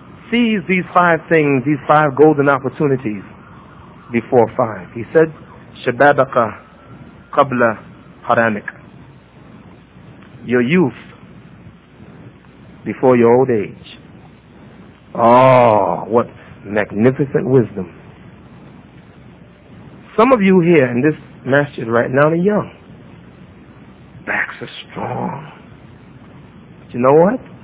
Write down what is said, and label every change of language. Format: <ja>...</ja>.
<en>Seize these five things, these five golden opportunities before five. He said,</en> <ar>شبابك قبل حرامك.</ar> <en>Your youth before your old age. Oh, what magnificent wisdom. Some of you here in this masjid right now are young. Backs are strong. But you know what?</en>